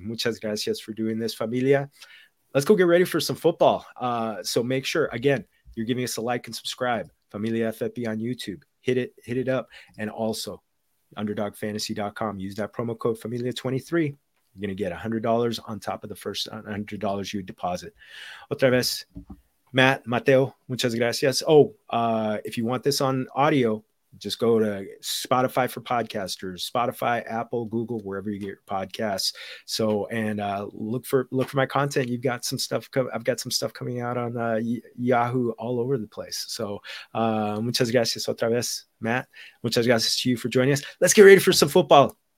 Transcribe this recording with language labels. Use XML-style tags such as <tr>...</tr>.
<es>Muchas gracias</es> <en>for doing this, familia. Let's go get ready for some football. So make sure, again, you're giving us a like and subscribe. Familia FFB on YouTube. Hit it up. And also, underdogfantasy.com. Use that promo code FAMILIA23. You're going to get $100 on top of the first $100 you deposit.</en> <es>Otra vez, Matt, Mateo, muchas gracias.</es> <en>Oh, if you want this on audio, just go to Spotify for podcasters, Spotify, Apple, Google, wherever you get your podcasts. So, and look for my content. You've got some stuff. I've got some stuff coming out on Yahoo all over the place. So</en> <es>muchas gracias otra vez,</es> <en>Matt.</en> <es>Muchas gracias</es> <en>to you for joining us. Let's get ready for some football.</en>